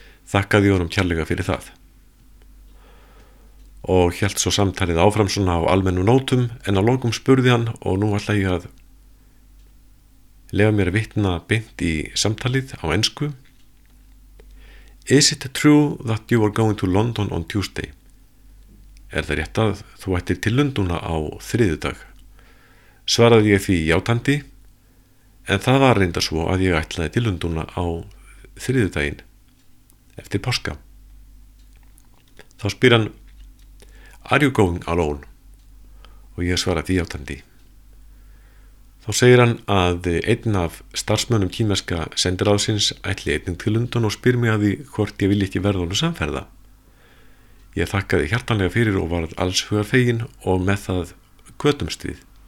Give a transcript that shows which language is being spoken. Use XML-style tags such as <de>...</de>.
<is>Þakkaði ég honum kjærlega fyrir það. Og hélt svo samtalið áfram svona á almennu nótum, en á lokum spurði hann og nú ætla ég að lefa mér að vitna beint í samtalið á ensku.</is> <en>Is it true that you are going to London on Tuesday?</en> <is>Er það rétt að þú ættir til Lundúna á þriðjudag? Svaraði ég því játandi, en það var reynda svo að ég ætlaði til Lundúna á þriðjudaginn eftir páska. Þá spyr hann,</is> <en>are you going alone?</en> <is>Og ég svara því játandi. Þá segir hann að einn af starfsmönnum kínverska sendiráðsins ætli einning til London og spyr mig að því hvort ég vil ekki verða honum samferða. Ég þakkaði hjartanlega fyrir og varð alls hugar fegin og með það kvötumst við.</is>